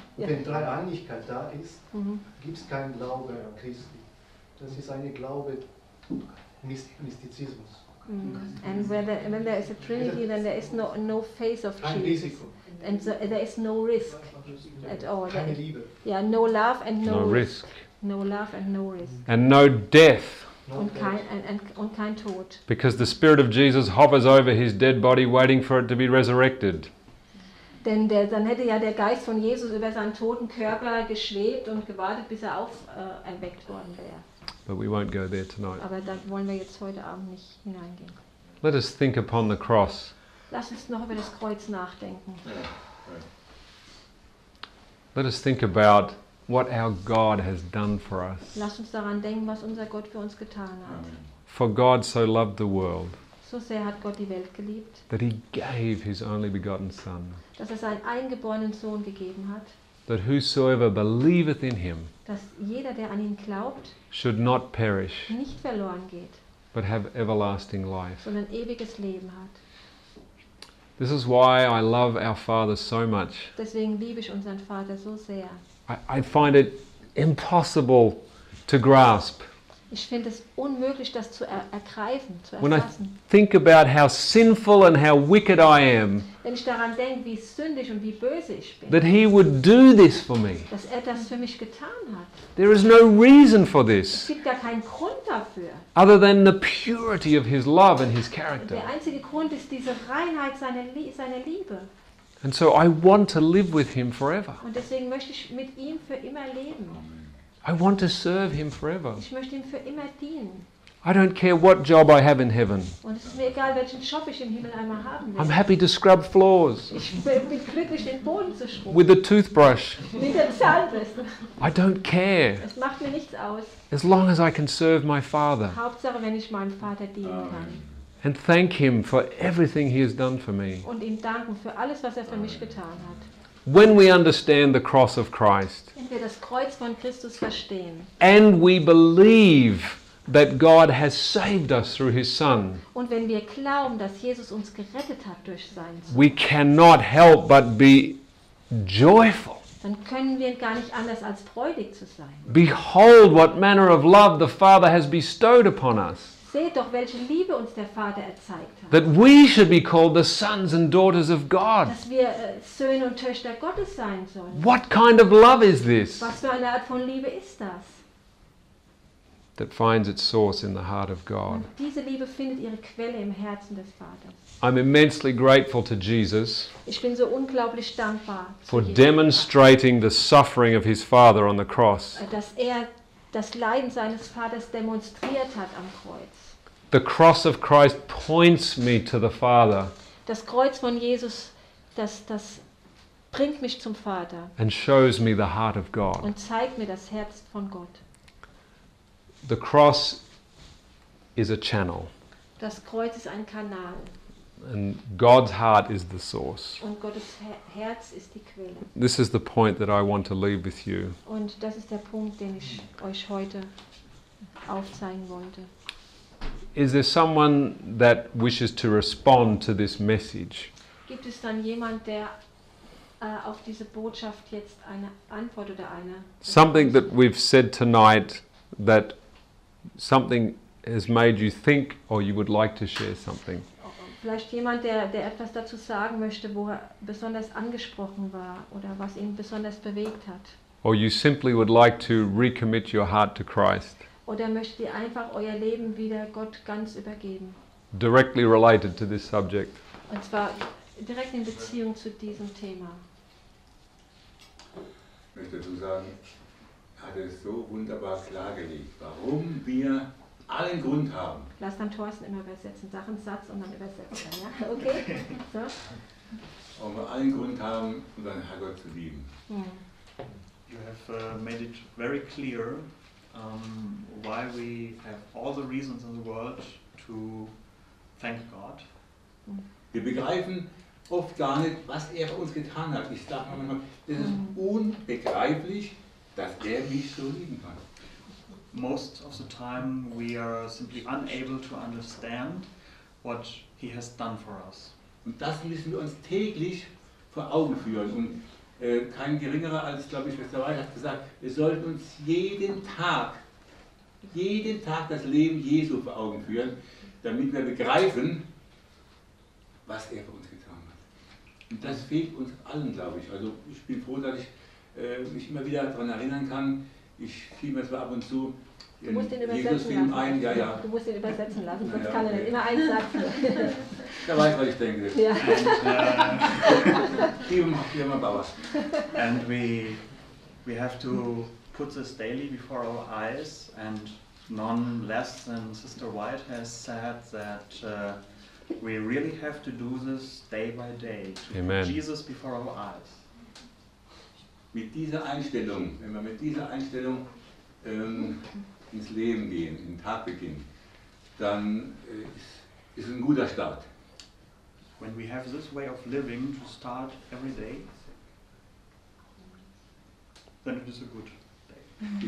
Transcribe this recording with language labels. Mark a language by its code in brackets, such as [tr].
[de] Wenn Dreieinigkeit da ist, gibt es keinen Glaube an Christi. Das ist eine Glaube Mystizismus. [en] And when there is a Trinity, then there is no faith of [de] Kein [en] Jesus. [de] Risiko. [en] And so, there is no risk at all. [de] Keine Liebe. [en] Yeah, no love and no, no risk. No love and no risk. And no death. [de] Und kein Tod. [en] Because the Spirit of Jesus hovers over his dead body, waiting for it to be resurrected. [de] Denn der, dann hätte ja der Geist von Jesus über seinen toten Körper geschwebt und gewartet, bis er auferweckt worden wäre. [en] But we won't go there tonight. [de] Aber da wollen wir jetzt heute Abend nicht hineingehen. [en] Let us think upon the cross. [de] Lass uns noch über das Kreuz nachdenken. [en] Let us think about what our God has done for us. [de] Lass uns daran denken, was unser Gott für uns getan hat. [en] For God so loved the world. [de] So sehr hat Gott die Welt geliebt. [en] That he gave his only begotten son. [de] Dass er seinen eingeborenen Sohn gegeben hat. [en] That whosoever believeth in him, [de] dass jeder, der an ihn glaubt, [en] should not perish, [de] nicht verloren geht, [en] but have everlasting life, [de] sondern ewiges Leben hat. [en] This is why I love our Father so much. [de] Deswegen liebe ich unseren Vater so sehr. [en] I find it impossible to grasp. [de] Ich finde es unmöglich, das zu ergreifen, zu erfassen. [en] When I think about how sinful and how wicked I am, [de] wenn ich daran denke, wie sündig und wie böse ich bin, [en] that he would do this for me. [de] Dass er das für mich getan hat. [en] There is no reason for this. [de] Es gibt gar keinen Grund dafür. [en] Other than the purity of his love and his character. [de] Der einzige Grund ist diese Reinheit seiner Liebe. [en] And so I want to live with him forever. [de] Und deswegen möchte ich mit ihm für immer leben. [en] I want to serve him forever. [de] Ich möchte ihm für immer dienen. [en] I don't care what job I have in heaven. [de] Und es ist mir egal, welchen Job ich im Himmel einmal haben will. [en] I'm happy to scrub floors. [de] Ich bin glücklich, den Boden zu schrubben. [en] With a toothbrush. [de] Mit der Zahnbürste. [en] I don't care. [de] Es macht mir nichts aus. [en] As long as I can serve my Father. [de] Hauptsache, wenn ich meinem Vater dienen kann. [en] And thank him for everything he has done for me. [de] Und ihm danken für alles, was er für mich getan hat. [en] When we understand the cross of Christ, [de] wenn wir das Kreuz von Christus verstehen, [en] and we believe that God has saved us through his Son, [de] und wenn wir glauben, dass Jesus uns gerettet hat durch seinen Sohn, [en] we cannot help but be joyful. [de] Dann können wir gar nicht anders als freudig zu sein. [en] Behold what manner of love the Father has bestowed upon us. [de] Seht doch, welche Liebe uns der Vater erzeigt hat. [en] That we should be called the sons and daughters of God. [de] Dass wir Söhne und Töchter Gottes sein sollen. [en] What kind of love is this? [de] Was für eine Art von Liebe ist das? [en] that finds its source in the heart of God. [de] Und diese Liebe findet ihre Quelle im Herzen des Vaters. [en] I'm immensely grateful to Jesus. [de] Ich bin so unglaublich dankbar [en] for demonstrating the suffering of his Father on the cross. [de] Dass er das Leiden seines Vaters demonstriert hat am Kreuz. [en] The cross of Christ points me to the Father. [de] Das Kreuz von Jesus, das bringt mich zum Vater. [en] And shows me the heart of God. [de] Und zeigt mir das Herz von Gott. [en] The cross is a channel. [de] Das Kreuz ist ein Kanal. [en] And God's heart is the source. [de] Und Gottes Herz ist die Quelle. [en] This is the point that I want to leave with you. [de] Und das ist der Punkt, den ich euch heute aufzeigen wollte. [en] Is there someone that wishes to respond to this message? [de] Gibt es dann jemand, der auf diese Botschaft jetzt eine Antwort oder eine? [en] Something that we've said tonight, that something has made you think, or you would like to share something. [de] Vielleicht jemand, der etwas dazu sagen möchte, wo er besonders angesprochen war oder was ihn besonders bewegt hat. [en] Or you simply would like to recommit your heart to Christ. [de] Oder möchtet ihr einfach euer Leben wieder Gott ganz übergeben? [en] Directly related to this subject. [de] Und zwar direkt in Beziehung zu diesem Thema. Ich möchte dazu sagen, er hat es so wunderbar klargelegt, warum wir allen Grund haben. Lass dann Thorsten immer übersetzen. Sag einen Satz und dann übersetzt er. Ja? Okay? So. Warum wir allen Grund haben, unseren Herrgott zu lieben. Hm. [en] You have made it very clear, why we have all the reasons in the world to thank God. [de] Wir begreifen oft gar nicht, was er für uns getan hat. Ich sage manchmal, es ist unbegreiflich, dass er mich so lieben kann. [en] Most of the time we are simply unable to understand what he has done for us. [de] Und das müssen wir uns täglich vor Augen führen. Und kein geringerer als, glaube ich, Schwester Weihe hat gesagt, wir sollten uns jeden Tag das Leben Jesu vor Augen führen, damit wir begreifen, was er für uns getan hat. Und das fehlt uns allen, glaube ich. Also ich bin froh, dass ich mich immer wieder daran erinnern kann. Ich fiel mir zwar ab und zu den Jesus-Film ein. Ja, ja. Du musst ihn übersetzen lassen, sonst kann er immer einen Satz. Da weiß, was ich denke. Ja. Und, hier mal Bauer. [en] And we have to put this daily before our eyes, and none less than Sister White has said that we really have to do this day by day to put Jesus before our eyes. [de] Mit dieser Einstellung, wenn wir mit dieser Einstellung ins Leben gehen, in den Tag beginnen, dann ist ein guter Start. [en] When we have this way of living to start every day, then it is a good day.